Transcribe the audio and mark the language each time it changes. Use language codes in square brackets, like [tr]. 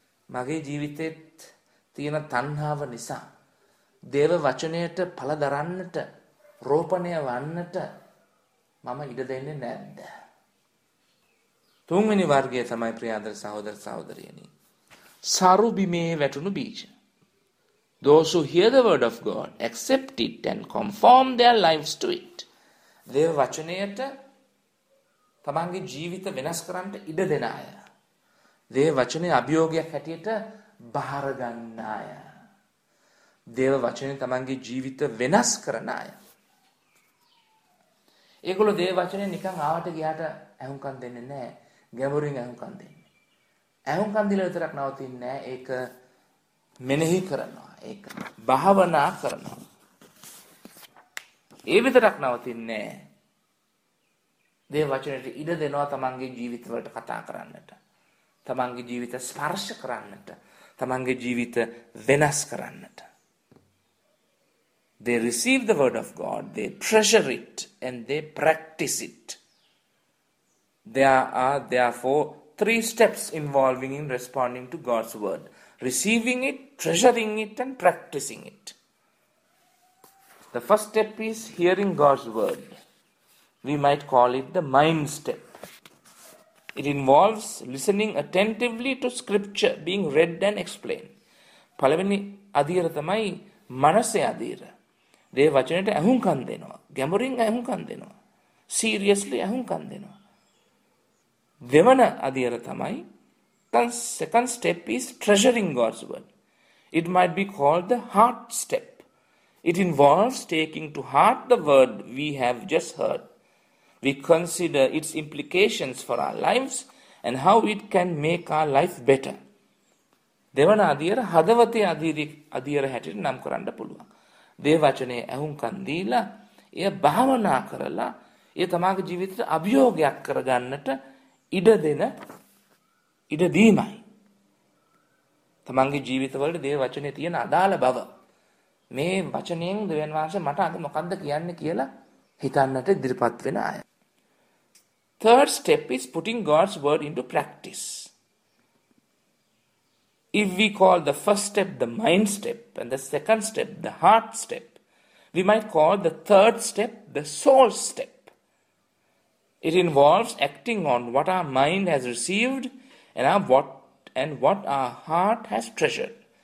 [si] මගේ ජීවිතේ තියෙන තණ්හාව නිසා දේව වචනයට පළ දරන්නට, රෝපණය වන්නට මම ඉඩ දෙන්නේ නැද්ද? තුන්වෙනි වර්ගය තමයි ප්‍රියාදර සහෝදර සහෝදරියනි, සරු බිමේ වැටුණු බීජ. [en] Those who hear the word of God, accept it and conform their lives to it. [si] දේව වචනයට තමන්ගේ ජීවිත වෙනස් කරන්න ඉඩ දෙන අය, දේව වචනේ අභියෝගයක් හැටියට බාර ගන්න අය, දේව වචනේ තමන්ගේ ජීවිත වෙනස් කරන අය, ඒගොල්ලෝ දේව වචනේ නිකන් ආවට ගියාට ඇහුම්කන් දෙන්නේ නැහැ. ගැඹුරින් ඇහුම්කන් දෙන්නේ, ඇහුම්කන් දීලා විතරක් නවතින්නේ නැහැ. ඒක මෙනෙහි කරනවා, ඒක භාවනා කරනවා. ඒ විතරක් නවතින්නේ නැහැ. දේව වචනයට ඉඩ දෙනවා තමන්ගේ ජීවිතවලට කතා කරන්නට, තමන්ගේ ජීවිත ස්පර්ශ කරන්නට, තමන්ගේ ජීවිත වෙනස් කරන්නට. [en] They receive the word of God, they treasure it and they practice it. There are therefore three steps involving in responding to God's word: receiving it, treasuring it, and practicing it. The first step is hearing God's word. We might call it the mind step. It involves listening attentively to scripture being read and explained. [si] පළවෙනි අදියර තමයි මනසේ අදියර. දේ වචනයට අහුම්කන් දෙනවා, ගැඹුරින් අහුම්කන් දෙනවා, seriously අහුම්කන් දෙනවා. දෙවන අදියර තමයි, [en] then second step is treasuring God's word. It might be called the heart step. It involves taking to heart the word we have just heard. We consider its implications for our lives and how it can make our life better. [si] දෙවන අදියර හදවතේ අදියර හැටියට නම් කරන්න පුළුවන්. දේව වචනේ අහුම්කන් දීලා එය භාවනා කරලා එය තමාගේ ජීවිතේ අභියෝගයක් කරගන්නට ඉඩ දෙන ඉඩ දීමයි. තමන්ගේ ජීවිතවලට දේව වචනේ තියෙන අදාළ බව, මේ වචනයෙන් දෙවියන් වහන්සේ මට අද මොකද්ද කියන්නේ කියලා හිතන්නට ඉදිරිපත් වෙන අය. [en] Third step is putting God's word into practice. If we call the first step the mind step and the second step the heart step, we might call the third step the soul step. It involves acting on what our mind has received and what our heart has treasured.